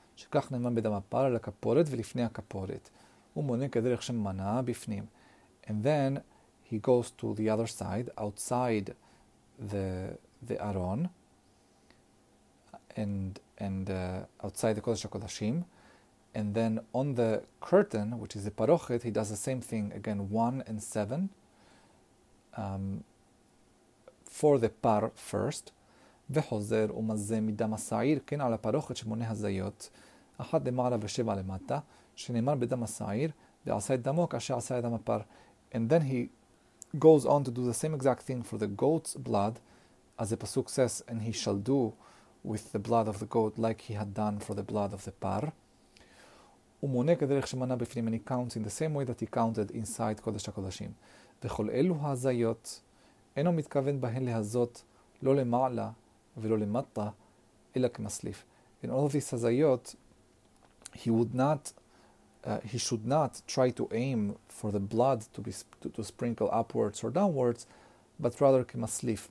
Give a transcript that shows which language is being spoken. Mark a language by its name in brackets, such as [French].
[Hebrew] שכך נאמן בדם הפר על הכפורת ולפני הכפורת. הוא מונה כדרך שמנה בפנים. [English] And then he goes to the other side, outside the Aron, and outside the Kodesh HaKodashim. And then on the curtain, which is the parochet, he does the same thing again, 1 and 7, for the par first. [Hebrew] וחוזר ומזה מדם הסעיר, כן על הפרוכת שמונה הזיות, אחת למעלה ושבע למטה, שנאמר בדם הסעיר, ועשה את דמו כאשר עשה את דם הפר. [English] And then he goes on to do the same exact thing for the goat's blood, as the pasuk says, and he shall do with the blood of the goat like he had done for the blood of the par. [Hebrew] ומונה כדרך שמנה בפנים, [English] and he counts in the same way that he counted inside קודש הקודשים. [Hebrew] וכל אלו הזיות, אינו מתכוון בהן להזות, לא למעלה ולא למטה, אלא כמסליף. [English] In all these הזיות, he would not, he should not try to aim for the blood to sprinkle upwards or downwards, but rather kemaslif.